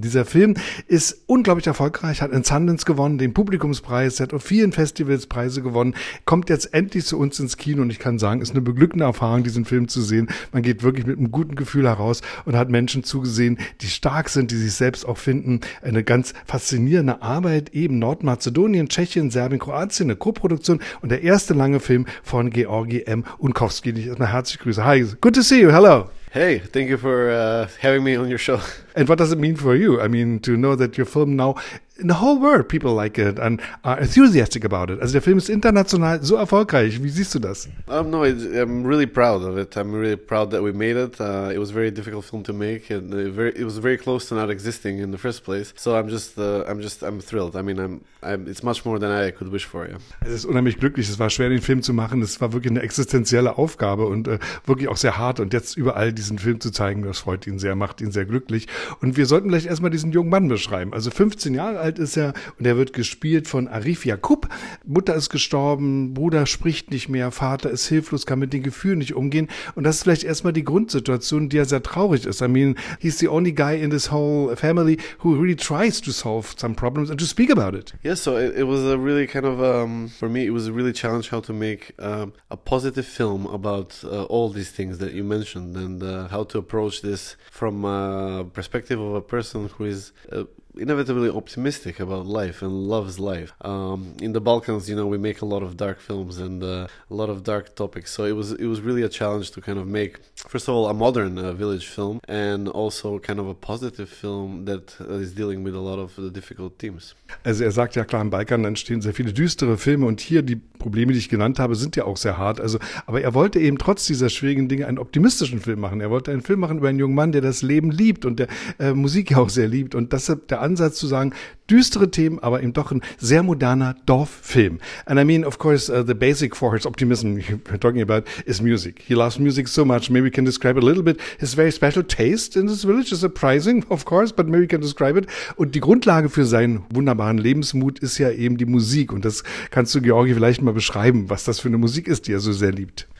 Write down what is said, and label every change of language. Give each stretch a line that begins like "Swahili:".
German: Dieser Film ist unglaublich erfolgreich, hat in Sundance gewonnen, den Publikumspreis, hat auf vielen Festivals Preise gewonnen, kommt jetzt endlich zu uns ins Kino und ich kann sagen, ist eine beglückende Erfahrung, diesen Film zu sehen. Man geht wirklich mit einem guten Gefühl heraus und hat Menschen zugesehen, die stark sind, die sich selbst auch finden. Eine ganz faszinierende Arbeit, eben Nordmazedonien, Tschechien, Serbien, Kroatien, eine Co-Produktion und der erste lange Film von Georgi M.
English: Unkowski.
German: Ich erstmal herzlich grüße.
English: Hi, good to see you, hello. Hey, thank you for having me on your show. And what does it mean for you? I mean, to know that your film now, in the whole world, people like it and are enthusiastic about it.
German: Also der Film ist international so erfolgreich. Wie siehst du das?
English: I'm really proud of it. I'm really proud that we made it. It was a very difficult film to make and it was very close to not existing in the first place. So I'm thrilled. I mean, it's much more than I could wish for, yeah.
German: Es ist unheimlich glücklich. Es war schwer, den Film zu machen. Es war wirklich eine existenzielle Aufgabe und wirklich auch sehr hart. Und jetzt überall diesen Film zu zeigen, das freut ihn sehr, macht ihn sehr glücklich. Und wir sollten gleich erstmal diesen jungen Mann beschreiben. Also 15 Jahre alt ist er und er wird gespielt von Arif Yakub. Mutter ist gestorben, Bruder spricht nicht mehr, Vater ist hilflos, kann mit den Gefühlen nicht umgehen. Und das ist vielleicht erstmal die Grundsituation, die ja sehr traurig ist.
English: I mean, he's the only guy in this whole family who really tries to solve some problems and to speak about it. Yes, so it was a really kind of, for me, it was a really challenge how to make a positive film about all these things that you mentioned and how to approach this from a perspective of a person who is inevitably optimistic about life and loves life. In the Balkans, you know, we make a lot of dark films and a lot of dark topics. So it was really a challenge to kind of make, first of all, a modern village film, and also kind of a positive film that is dealing with a lot of the difficult themes.
German: Also er sagt ja klar, im Balkan entstehen sehr viele düstere Filme und hier die Probleme, die ich genannt habe, sind ja auch sehr hart. Also, aber er wollte eben trotz dieser schwierigen Dinge einen optimistischen Film machen. Er wollte einen Film machen über einen jungen Mann, der das Leben liebt und der Musik auch sehr liebt. Und das ist der Ansatz zu sagen, düstere Themen, aber eben doch ein sehr moderner Dorffilm.
English: And I mean, of course, the basic for his optimism we're talking about is music. He loves music so much. Maybe we can describe a little bit his very special taste in this village. It's surprising, of course, but maybe we can describe it.
German: Und die Grundlage für seinen wunderbaren Lebensmut ist ja eben die Musik. Und das kannst du, Georgi, vielleicht mal beschreiben, was das für eine Musik ist, die er so sehr liebt.